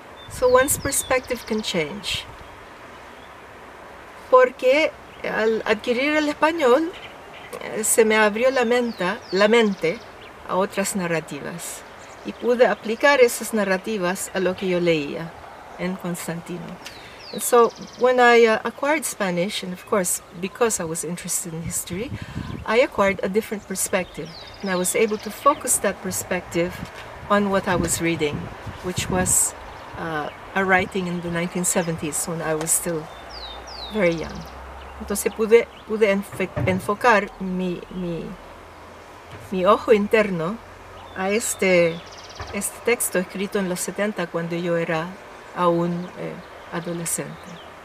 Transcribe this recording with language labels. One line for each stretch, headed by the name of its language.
English: So one's perspective can change.
Spanish: Porque al adquirir el español, se me abrió la mente a otras narrativas. Y pude aplicar esas narrativas a lo que yo leía en Constantino.
English: And so, when I acquired Spanish, and of course, because I was interested in history, I acquired a different perspective, and I was able to focus that perspective on what I was reading, which was a writing in the 1970s, when I was still very young.
Spanish: Entonces pude enfocar mi ojo interno a este texto escrito en los 70 cuando yo era aún adolescente.